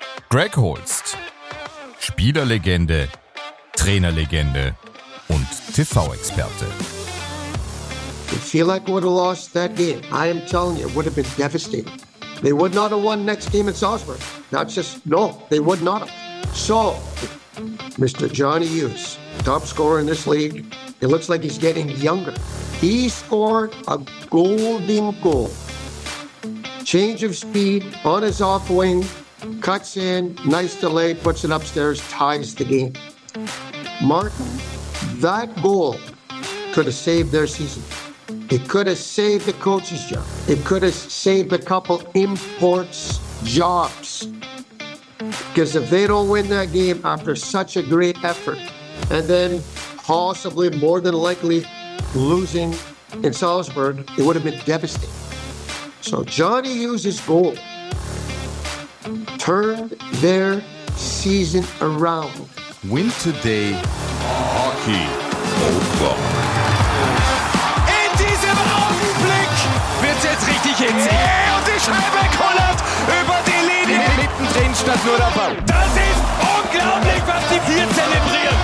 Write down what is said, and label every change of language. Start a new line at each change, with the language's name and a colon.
German: Greg Holst, Spielerlegende, Trainerlegende und TV-Experte.
English: I feel like we'd have lost that game. I am telling you, it would have been devastating. They would not have won next game in Salzburg. That's just, no, they would not have. So, Mr. Johnny Hughes, top scorer in this league, it looks like he's getting younger. He scored a golden goal. Change of speed, on his off wing, cuts in, nice delay, puts it upstairs, ties the game. Martin, that goal could have saved their season. It could have saved the coach's job. It could have saved a couple imports' jobs. Because if they don't win that game after such a great effort, and then possibly more than likely losing in Salzburg, it would have been devastating. So Johnny Hughes' goal turned their season around. Win today, Hockey O'Clock.
German: In diesem Augenblick wird es jetzt richtig hitzig. Und die Scheibe kollert über die Linie. In mitten drin statt nur der Ball. Das ist unglaublich, was die vier zelebrieren.